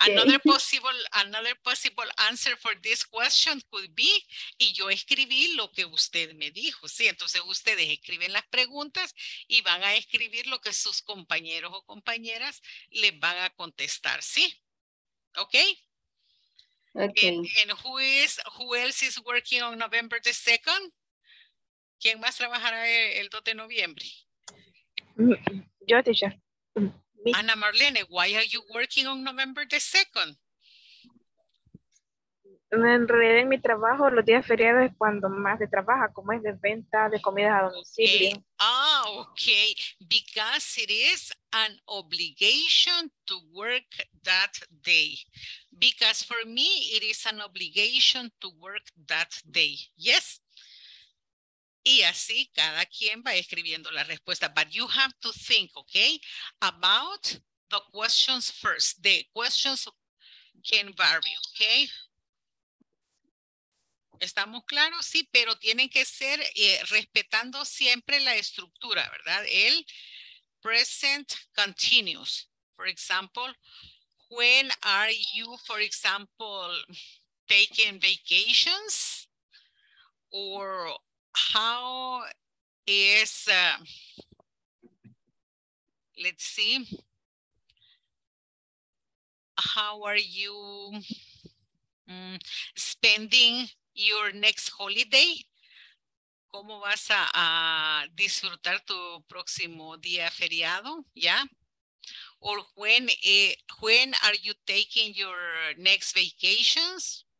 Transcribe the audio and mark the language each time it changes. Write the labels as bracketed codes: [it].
[en] Another possible answer for this question could be, [es] y yo escribí lo que usted me dijo, ¿sí? Entonces ustedes escriben las preguntas y van a escribir lo que sus compañeros o compañeras les van a contestar, ¿sí? [en] Okay? Okay. And who else is working on November the 2nd? [es] ¿Quién más trabajará el 2 de noviembre? Yo, teacher. [en] Ana Marlene, why are you working on November the 2nd? [es] En realidad, en mi trabajo, los días feriados es cuando más se trabaja, como es de venta de comidas a domicilio. [en] Ah, okay. Because it is an obligation to work that day. Because for me, it is an obligation to work that day. Yes? [es] Y así cada quien va escribiendo la respuesta. [en] But you have to think, okay, about the questions first. The questions can vary, okay? [es] ¿Estamos claros? Sí, pero tienen que ser respetando siempre la estructura, ¿verdad? El [en] present continuous. For example, when are you, for example, taking vacations? Or how is, let's see, how are you spending your next holiday? [es] ¿Cómo vas a disfrutar tu próximo día feriado? [en] Yeah. Or when are you taking your next vacations?